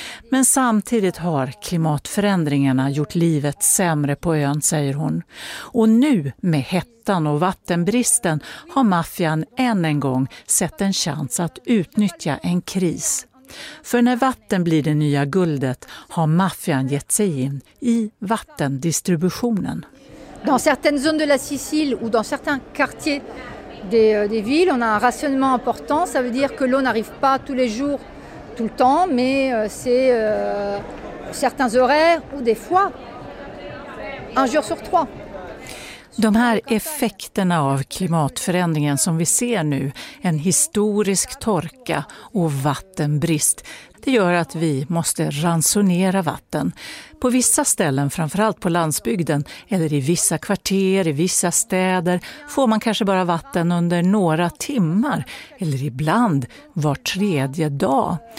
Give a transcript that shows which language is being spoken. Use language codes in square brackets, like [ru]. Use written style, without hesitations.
[sv] Men samtidigt har klimatförändringarna gjort livet sämre på ön, säger hon. Och nu, med hettan och vattenbristen, har maffian än en gång sett en chans att utnyttja en kris. För när vatten blir det nya guldet har maffian gett sig in i vattendistributionen. [fr] Dans certaines zones de la Sicile ou dans certains quartiers des villes, on a un rationnement important, ça veut dire que l'eau n'arrive pas tous les jours. Tout le temps, mais c'est certains horaires ou des fois un jour sur trois. [sv] De här effekterna av klimatförändringen som vi ser nu, en historisk torka och vattenbrist, det gör att vi måste ransonera vatten. På vissa ställen, framförallt på landsbygden, eller i vissa kvarter, i vissa städer, får man kanske bara vatten under några timmar, eller ibland var tredje dag.